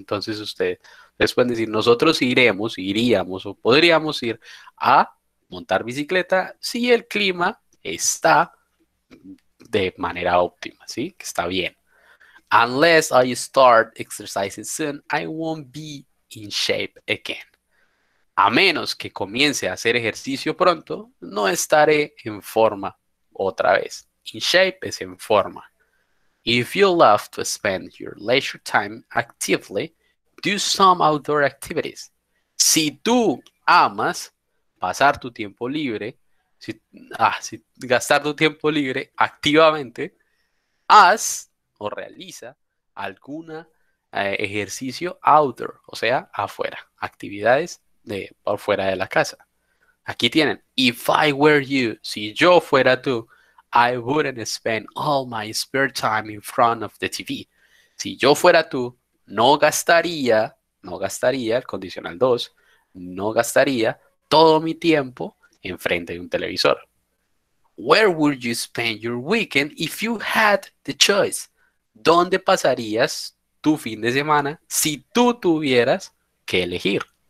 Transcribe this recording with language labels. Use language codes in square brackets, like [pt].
[es] Entonces, ustedes pueden decir, nosotros iríamos o podríamos ir a montar bicicleta si el clima está de manera óptima, ¿sí? Que está bien. [en] Unless I start exercising soon, I won't be in shape again. [es] A menos que comience a hacer ejercicio pronto, no estaré en forma otra vez. [en] In shape [es] es en forma. [en] If you love to spend your leisure time actively, do some outdoor activities. [es] Si tú amas pasar tu tiempo libre, si gastar tu tiempo libre activamente, haz o realiza alguna ejercicio outdoor, o sea, afuera, actividades de por fuera de la casa. Aquí tienen, [en] if I were you, [es] si yo fuera tú, [en] I wouldn't spend all my spare time in front of the TV. [es] Si yo fuera tú, no gastaría, el condicional 2, no gastaría todo mi tiempo enfrente de un televisor. [en] Where would you spend your weekend if you had the choice? [es] ¿Dónde pasarías tu fin de semana si tú tuvieras que elegir?